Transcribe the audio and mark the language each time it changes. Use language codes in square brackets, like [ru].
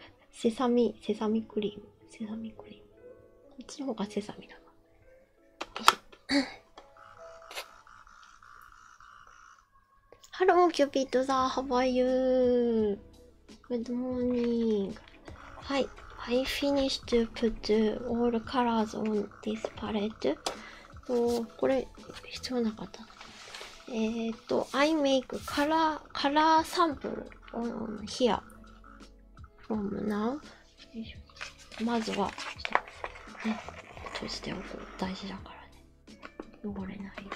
[ja] セサミ、セサミクリーム。セサミクリーム。こっちの方がセサミだ。 [en] ハローキューピッドさん、ハバユー。 Good morning. はい。 I finished to put all colors on this palette. [ja] そう、これ、必要なかった。 [en] I make color sample on here. From now. [ja] まずは、ね、閉じておく。大事だからね。汚れない。